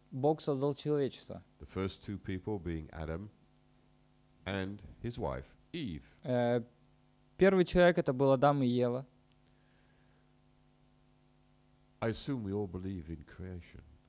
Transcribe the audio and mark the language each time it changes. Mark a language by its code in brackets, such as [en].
[ru] Бог создал человечество. [en] The first two people being Adam and his wife Eve. [ru] Первый человек это был Адам и Ева. [en] I assume we all believe in creation.